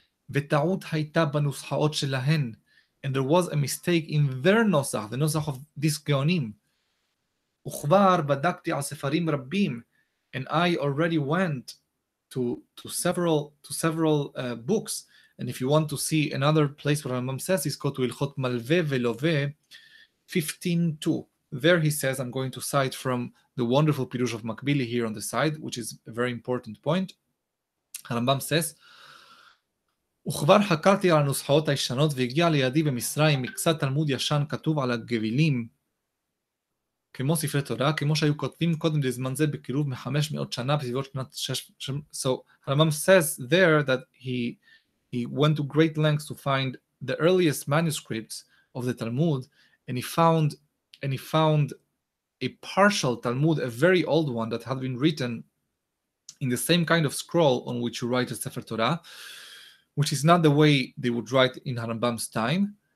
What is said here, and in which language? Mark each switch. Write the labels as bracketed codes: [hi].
[he] וטעות הייתה בנוסחאות שלהן, [en] and there was a mistake in their נוסח, the נוסח of this גאונים. [he] וכבר בדקתי על ספרים רבים, [en] and I already went to several books, and if you want to see another place where Rambam says, is go to Ilchot Malveh Veloveh 15:2. There he says, I'm going to cite from the wonderful Pirush of Makbili here on the side, which is a very important point. Rambam says, [he] וכבר חקרתי על הנוסחאות הישנות והגיע לידי במצרים מקצת תלמוד ישן כתוב על הגבילים, כמו ספרי תורה, כמו שהיו כותבים קודם לזמן זה בקירוב מ-500 שנה בסביבות שנת שש... [en] So, Rambam says there that he went to great lengths to find the earliest manuscripts of the Talmud, and he found a partial Talmud, a very old one that had been written in the same kind of scroll on which you write a Sefer Torah, which is not the way they would write in Rambam's time.